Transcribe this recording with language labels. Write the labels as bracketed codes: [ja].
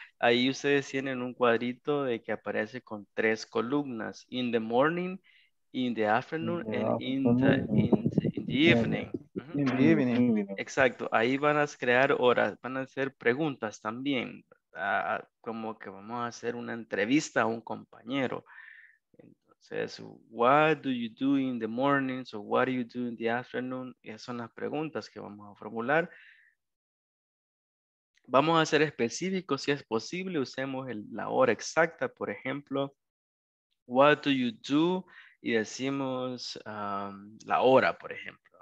[es] Ahí ustedes tienen un cuadrito de que aparece con 3 columnas: [en] in the morning, in the afternoon, and in the evening. [es] Exacto, ahí van a crear horas, van a hacer preguntas también, como que vamos a hacer una entrevista a un compañero. [en] Entonces, what do you do in the morning? So what do you do in the afternoon? [es] Esas son las preguntas que vamos a formular. Vamos a ser específicos si es posible, usemos la hora exacta. Por ejemplo, [en] what do you do? [es] Y decimos la hora, por ejemplo.